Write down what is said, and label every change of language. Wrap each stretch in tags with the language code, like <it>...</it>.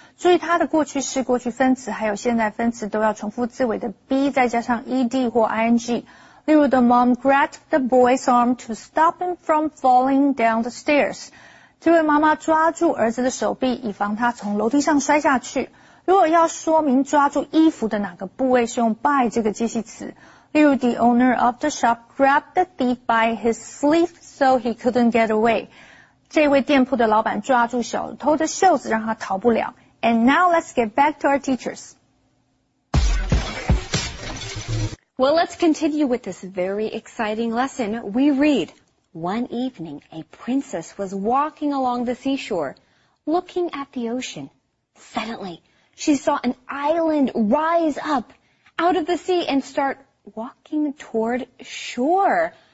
<zh>注意它的过去式、过去分词还有现在分词都要重复字尾的 be 再加上 ed 或 ing。</zh> <en>threw the mom grabbed the boy's arm to stop him from falling down the stairs.</en> <zh>这位妈妈抓住儿子的手臂以防他从楼梯上摔下去。如果要说明抓住衣服的哪个部位是用 by 这个介系词。例如</zh> <en>the owner of the shop grabbed the thief by his sleeve so he couldn't get away.</en> <zh>这位店铺的老板抓住小偷的袖子让他逃不了。</zh> <en>And now let's get back to our teachers. Well, let's continue with this very exciting lesson. We read, one evening, a princess was walking along the seashore, looking at the ocean. Suddenly, she saw an island rise up out of the sea and start walking toward shore.</en>